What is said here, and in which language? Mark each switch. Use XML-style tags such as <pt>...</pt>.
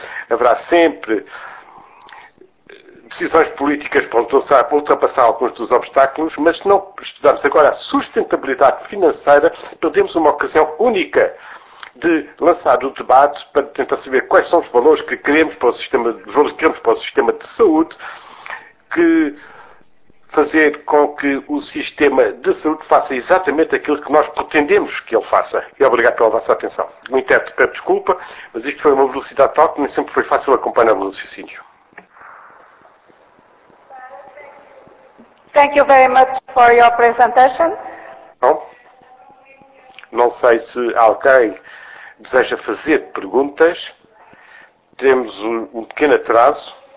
<pt>Haverá sempre decisões políticas para ultrapassar alguns dos obstáculos, mas se não estudarmos agora a sustentabilidade financeira, perdemos uma ocasião única de lançar o debate para tentar saber quais são os valores que queremos para o sistema, os valores que queremos para o sistema de saúde, que fazer com que o sistema de saúde faça exatamente aquilo que nós pretendemos que ele faça. E obrigado pela vossa atenção. Um intérprete peço desculpa, mas isto foi uma velocidade tal que nem sempre foi fácil acompanhar o raciocínio.</pt> <en>Thank you very much for your presentation.</en> <pt>Bom, não sei se alguém deseja fazer perguntas. Temos um pequeno atraso.</pt>